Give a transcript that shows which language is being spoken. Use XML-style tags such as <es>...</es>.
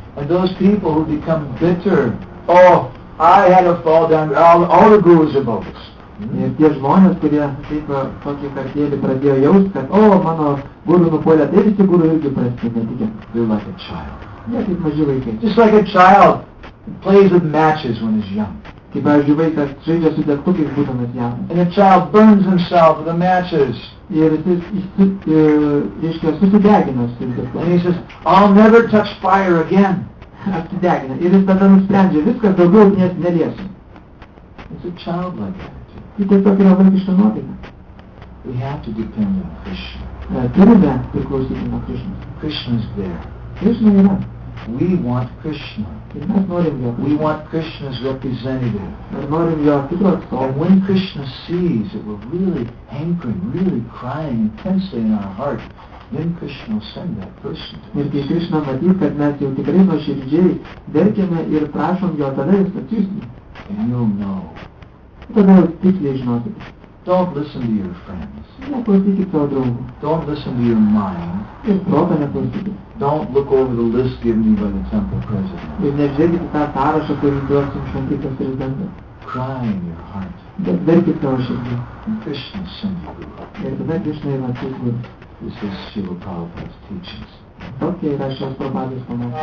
<en>And those people who become bitter, oh, I had a fall down, all the gurus are bogus.</en> <lt>Ir tie žmonės, kurie taip tokį kartėlį pradėjo jausti, kad, o, mano guru nupolė, tai visi guru irgi prasti, netikė.</lt> <en>They're like a child.</en> <lt>Jie kaip maži vaikai.</lt> <en>Just like a child plays with matches when he's young.</en> <lt>Kaip, pavyzdžiui, vaikas žaidžia su degtukais būdamas jaunas.</lt> <en>And the child burns himself with the matches.</en> <lt>Ir jis susidegina su degtukais.</lt> <en>And he says, I'll never touch fire again.</en> <lt>Apsidegina. Ir jis tada nusprendžia, viskas daugiau ugnies neliesim.</lt> <en>It's a childlike attitude.</en> <lt>Tai tiesiog yra vaikiška nuotaika.</lt> <en>We have to depend on Krishna.</en> <lt>Turime priklausyti nuo Krishna.</lt> <en>Krishna's there.</en> <lt>Krishna yra.</lt> <en>We want Krishna.</en> <lt>Ir mes norim jo.</lt> <en>We want Krishna's representative.</en> <lt>Mes norim jo kito atstovo.</lt> <en>And when Krishna sees that we're really hankering, really crying intensely in our heart, then Krishna will send that person to us.</en> <lt>Ir kai Krishna matys, kad mes jau tikrai nuoširdžiai verkiame ir prašom jo, tada jis atsiųs.</lt> <en>And you'll know.</en> <lt>Tada jūs tiksliai žinosite.</lt> <en>Don't listen to your friends.</en> <lt>Neklausykit savo draugų.</lt> <en>Don't listen to your mind.</en> <lt>Ir protą neklausykit.</lt> <en>Don't look over the list given you by the temple president.</en> <lt>Ir nežiūrėkite tą sąrašą, kurį duosim šventyklos prezidentui.</lt> <en>Cry in your heart.</en> <lt>Verkit savo širdį.</lt> <en>Krishna send you guru.</en> <lt>Ir tada Krishna yra atsiųs guru.</lt> <en>This is Srila Prabhupada's teachings.</en> <lt>Tokia yra šios Prabhupados pamokslas.</lt>